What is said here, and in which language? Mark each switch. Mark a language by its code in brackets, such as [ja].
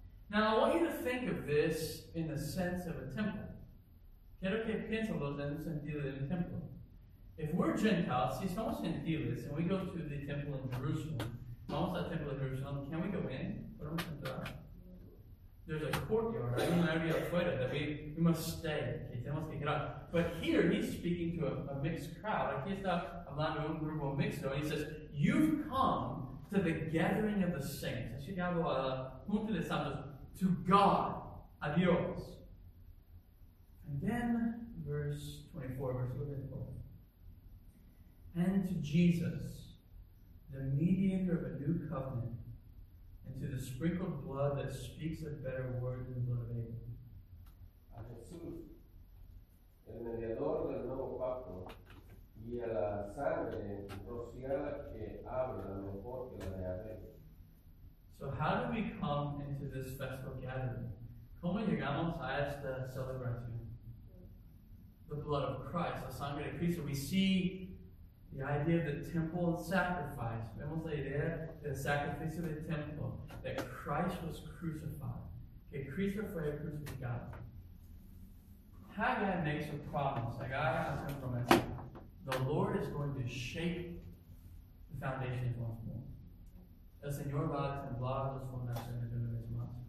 [en] Now, I want you to think of this in the sense of a temple. [es] Quiero que piénsalos en el sentido de un templo. [en] If we're Gentiles, [es] si somos gentiles, [en] and we go to the temple in Jerusalem, [es] vamos al templo de Jerusalem, [en] can we go in? [es] ¿Podemos entrar? [en] There's a courtyard. I mean, I [es] estar afuera, [en] that we must stay, [es] que tenemos que quedar. [en] But here, he's speaking to a mixed crowd. [es] Aquí está hablando un grupo mixto, [en] and he says, you've come to the gathering of the saints. [es] Así que hablo al punto de santos, [en] to God, [es] a Dios. [en] And then, verse 24. And to Jesus, the mediator of a new covenant, and to the sprinkled blood that speaks a better word than the blood of Abel. [es] A Jesús, el mediador del nuevo pacto, y a la sangre rociada que habla mejor que la de Abel. [en] So how do we come into this festival gathering? [es] ¿Cómo llegamos a esta celebración? [en] The blood of Christ, [es] la sangre de Cristo. [en] We see the idea of the temple sacrifice. [es] Vemos la idea del sacrificio del templo, [en] that Christ was crucified. [es] Que Cristo fue crucificado. [en] Haggai makes a promise. Haggai has a promise. The Lord is going to shake the foundations once more. [es] El Señor va a temblar los fundamentos de una vez más.